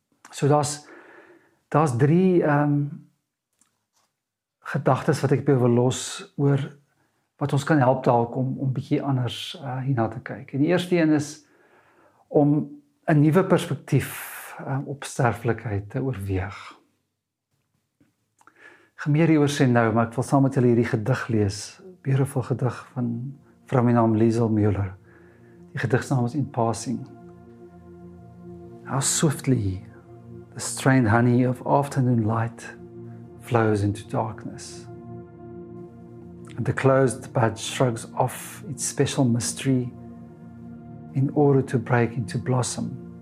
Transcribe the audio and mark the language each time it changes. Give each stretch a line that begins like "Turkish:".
Afrikaans: So daar's drie gedagtes wat ek by jou wil los oor wat ons kan help dalk om bietjie anders hierna te kyk. En die eerste een is om 'n nuwe perspektief op sterflikheid te oorweeg. Gemeer hieroor sê nou, maar ek wil saam met julle hierdie gedig lees. Beautiful gedig van vrou met naam Liesel Mueller. Die gedig se naam is In Passing.
English: "How swiftly the strained honey of afternoon light flows into darkness. And the closed bud shrugs off its special mystery in order to break into blossom.